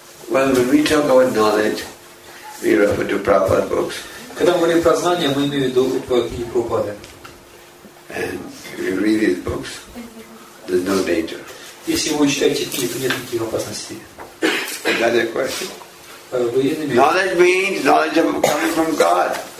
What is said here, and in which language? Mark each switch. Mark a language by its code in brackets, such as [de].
[en] Well, when we talk about knowledge, we refer to Prabhupada books. [ru] Когда мы говорим про знания, мы имеем в виду книги Прабхупады. [en] And if you read these books, there's no danger. [ru] Если вы читаете книги, нет никаких опасностей. [en] Another question. Knowledge means knowledge coming from God.